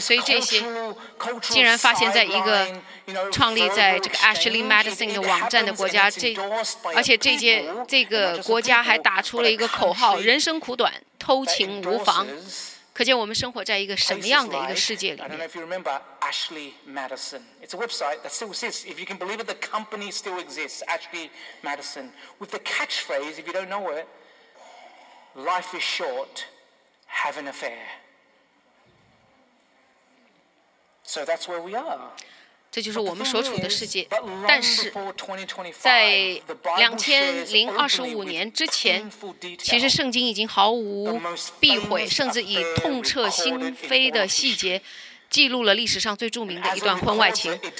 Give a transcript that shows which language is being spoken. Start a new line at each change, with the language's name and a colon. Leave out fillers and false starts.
Chinese: 所以这些竟然发现在一个创立在这个 Ashley Madison 的网站的国家，而且这个国家还打出了一个口号：人生苦短，偷情无妨。可见我们生活在一个什么样的一个世界里面。
English: I don't know if you remember Ashley Madison. It's a website that still exists. If you can believe it, the company still exists, Ashley Madison. With the catchphrase, if you don't know it, life is short, have an affair. So that's where we are.
Chinese: 这就是我们所处的世界。但是，在2025年之前，其实圣经已经毫无避讳，甚至以痛彻心扉的细节，记录了历史上最著名的一段婚外情。